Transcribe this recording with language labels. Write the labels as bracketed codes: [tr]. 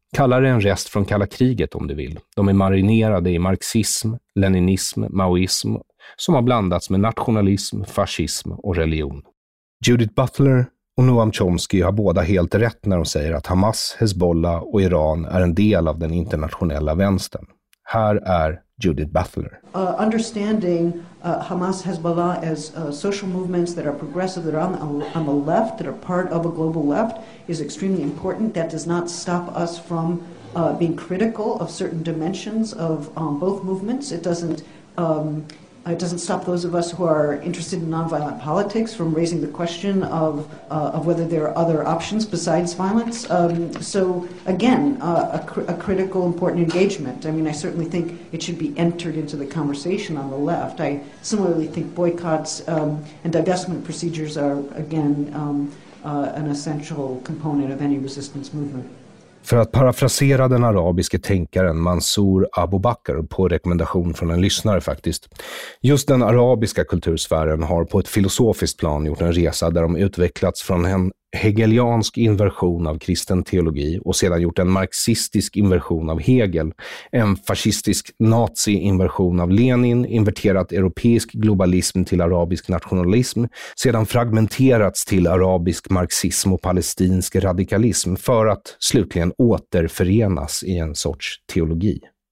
[sv] Kalla det en rest från kalla kriget om du vill. De är marinerade i marxism, leninism, maoism som har blandats med nationalism, fascism och religion. Judith Butler och Noam Chomsky har båda helt rätt när de säger att Hamas, Hezbollah och Iran är en del av den internationella vänstern. Här är Judith Butler. [en] Understanding Hamas, Hezbollah as social movements that are progressive, that are on the left, that are part of a global left, is extremely important. That does not stop us from being critical of certain dimensions of both movements. It doesn't stop those of us who are interested in nonviolent politics from raising the question of whether there are other options besides violence. So again, a critical, important engagement. I mean, I certainly think it should be entered into the conversation on the left. I similarly think boycotts and divestment procedures are, again, an essential component of any resistance movement. [sv] För att parafrasera den arabiske tänkaren Mansour Abu Bakr på rekommendation från en lyssnare faktiskt. Just den arabiska kultursfären har på ett filosofiskt plan gjort en resa där de utvecklats från en hegeliansk inversion av kristen teologi och sedan gjort en marxistisk inversion av Hegel, en fascistisk nazi-inversion av Lenin, inverterat europeisk globalism till arabisk nationalism, sedan fragmenterats till arabisk marxism och palestinsk radikalism för att slutligen återförenas i en sorts teologi.